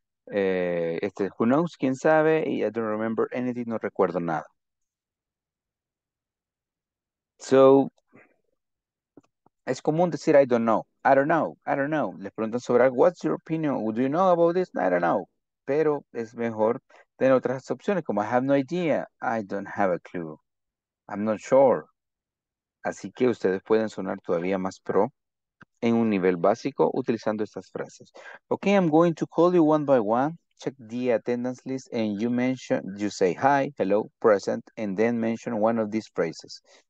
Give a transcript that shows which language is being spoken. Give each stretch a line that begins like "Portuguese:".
Spanish: Este,
English: who knows?
Spanish: ¿Quién sabe?
English: I don't remember anything.
Spanish: No recuerdo nada.
English: So,
Spanish: es común decir
English: I don't know. I don't know. I don't know.
Spanish: Les preguntan sobre
English: what's your opinion? Do you know about this? I don't know.
Spanish: Pero es mejor tener otras opciones como
English: I have no idea. I don't have a clue. I'm not sure.
Spanish: Así que ustedes pueden sonar todavía más pro en un nivel básico utilizando estas frases.
English: Okay, I'm going to call you one by one. Check the attendance list and you mention, you say hi, hello, present, and then mention one of these phrases.